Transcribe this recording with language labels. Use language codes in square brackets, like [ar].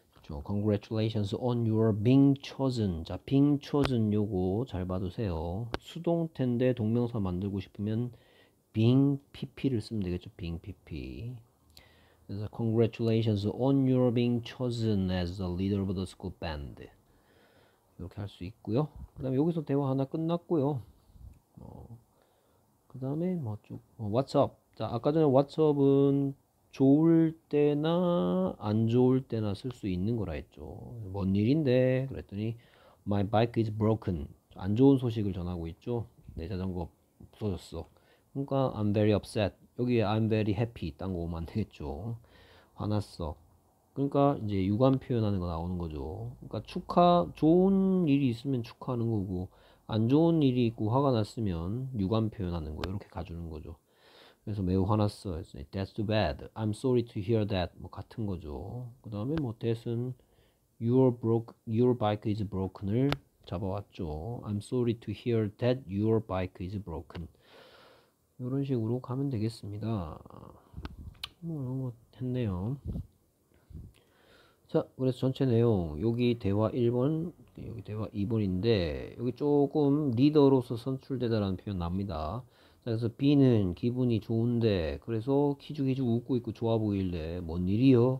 [en] Congratulations on your being chosen. 자, being chosen [ko] 요거 잘 봐두세요. 수동태인데 동명사 만들고 싶으면 being PP를 쓰면 되겠죠. being PP. [en] 그래서 Congratulations on your being chosen as the leader of the school band. [ko] 이렇게 할수 있고요. 그 다음에 여기서 대화 하나 끝났고요. 그 다음에 뭐 쭉, What's up? 자, 아까 전에 What's up은 좋을 때나 안 좋을 때나 쓸수 있는 거라 했죠. 뭔 일인데? [en] 그랬더니 My bike is broken. [ko] 안 좋은 소식을 전하고 있죠. 내 자전거 부서졌어. 그러니까 [en] I'm very upset. [ko] 여기에 [en] I'm very happy [ko] 딴거 오면 안 되겠죠. 화났어. 그러니까 이제 유감 표현하는 거 나오는 거죠. 그러니까 축하, 좋은 일이 있으면 축하하는 거고 안 좋은 일이 있고 화가 났으면 유감 표현하는 거 이렇게 가주는 거죠. 그래서 매우 화났어. [en] That's too bad. I'm sorry to hear that. [ko] 뭐 같은 거죠. 그 다음에 뭐 that은 your bike is broken을 잡아왔죠. [en] I'm sorry to hear that your bike is broken. [ko] 이런 식으로 가면 되겠습니다. 뭐 이런 거 했네요. 자, 그래서 전체 내용 여기 대화 1번, 여기 대화 2번인데 여기 조금 리더로서 선출되다라는 표현 납니다. 자, 그래서 B는 기분이 좋은데 그래서 기죽기죽 웃고 있고 좋아 보일래 뭔 일이요?